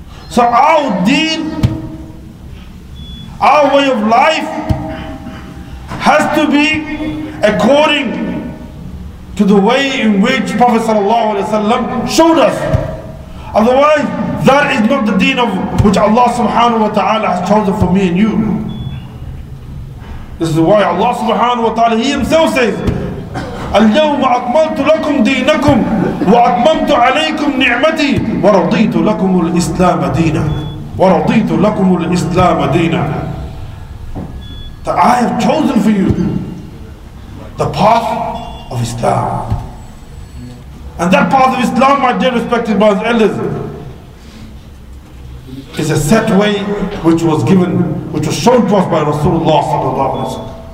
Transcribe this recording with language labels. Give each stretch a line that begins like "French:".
English: So our deen, our way of life has to be according to the way in which Prophet sallallahu alaihi wasallam showed us. Otherwise, that is not the deen of which Allah subhanahu wa ta'ala has chosen for me and you. This is why Allah subhanahu wa ta'ala, he himself says,
Arabic: اليوم أكملت لكم دينكم وأتممت عليكم نعمتي ورضيت لكم الإسلام دينا ورضيت لكم الإسلام دينا.
English: That I have chosen for you the path of Islam. And that path of Islam, my dear respected brothers and elders, is a set way which was given, which was shown to us by Rasulullah sallallahu alaihi wasallam.